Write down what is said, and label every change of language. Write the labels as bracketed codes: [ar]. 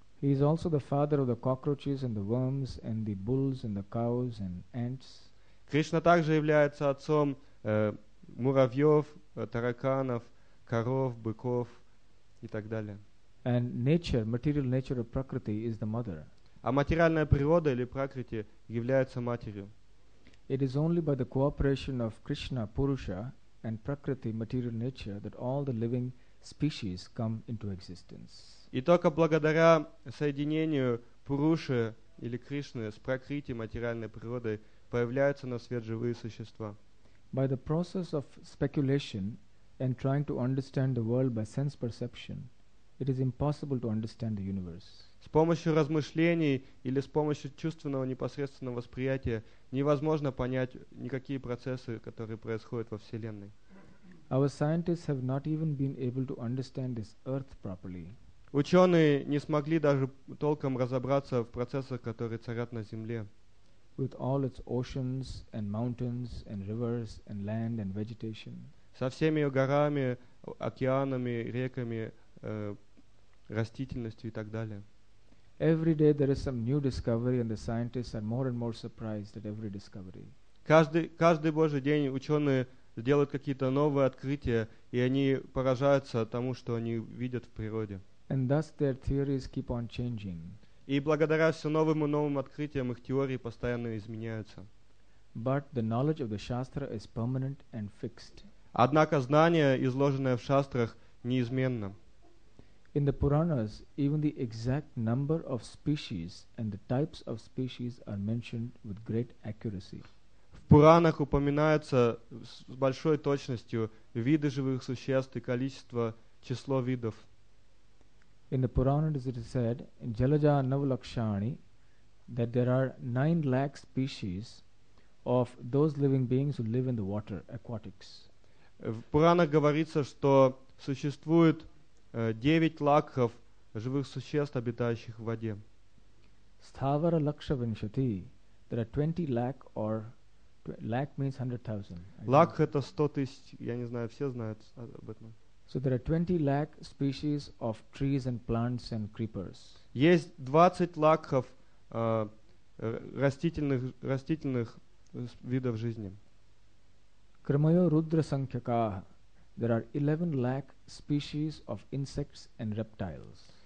[en] He is also the father of the cockroaches and the worms and the bulls and the cows and ants. [ru] Кришна также является отцом муравьев, тараканов, коров, быков и так далее. [en] And nature, material nature of Prakriti is the mother. [ru] А материальная природа или Пракрити является матерью. [en] It is only by the cooperation of Krishna, Purusha and Prakriti, material nature, that all the living species come into existence. [ru] И только благодаря соединению Пуруши или Кришны с Пракрити, материальной природой, появляются на свет живые существа. [en] By the process of speculation and trying to understand the world by sense perception, it is impossible to understand the universe. [ru] С помощью размышлений или с помощью чувственного непосредственного восприятия невозможно понять никакие процессы, которые происходят во Вселенной. [en] Our scientists have not even been able to understand this earth properly. [ru] Ученые не смогли даже толком разобраться в процессах, которые царят на Земле. [en] With all its oceans and mountains and rivers and land and vegetation. [ru] Со всеми ее горами, океанами, реками, растительностью и так далее. [en] Every day there is some new discovery and the scientists are more and more surprised at every discovery. [ru] Каждый божий день ученые делают какие-то новые открытия, и они поражаются тому, что они видят в природе. [en] And thus their theories keep on changing. [ru] И благодаря все новым и новым открытиям их теории постоянно изменяются. [en] But the knowledge of the Shastra is permanent and fixed. [ru] Однако знание, изложенное в шастрах, неизменно. [en] In the Puranas, even the exact number of species and the types of species are mentioned with great accuracy. [ru] В Пуранах упоминаются с большой точностью виды живых существ и количество, число видов. [en] In the Puranas it is said, in [sa] Jalaja Navalakshani, [en] that there are 9 lakh species of those living beings who live in the water, aquatics. [ru] В Пуранах говорится, что существует 9 лакхов живых существ, обитающих в воде. [sa] Sthavara Lakshavinshati, [en] there are 20 lakh or lakh means 100,000. [ru] Лакх это 100 тысяч, я не знаю, все знают об этом. [en] So there are 20 lakh species of trees and plants and creepers. [ru] Есть 20 лакхов растительных видов жизни. [sa] Крамайо Рудра Санхьякаха. [en] There are 11 lakh species of insects and reptiles.